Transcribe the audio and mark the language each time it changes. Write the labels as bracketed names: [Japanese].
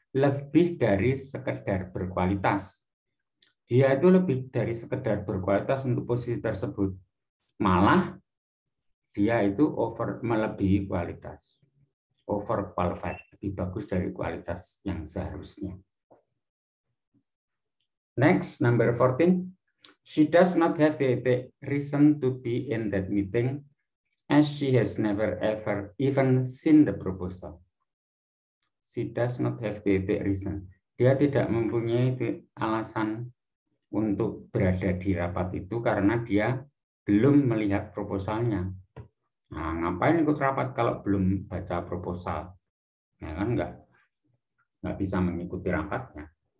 [Indonesian] Lebih dari sekedar berkualitas. Dia itu lebih dari sekedar berkualitas untuk posisi tersebut. Malah dia itu over, melebihi kualitas. [English] Over qualified, [Indonesian] lebih bagus dari kualitas yang seharusnya. [English] Next, number 14. She does not have the reason to be in that meeting as she has never ever even seen the proposal. She does not have the reason. [Indonesian] Dia tidak mempunyai alasan untuk berada di rapat itu karena dia belum melihat proposalnya. Nah, ngapain ikut rapat kalau belum baca proposal? Ya kan enggak bisa mengikuti rapatnya.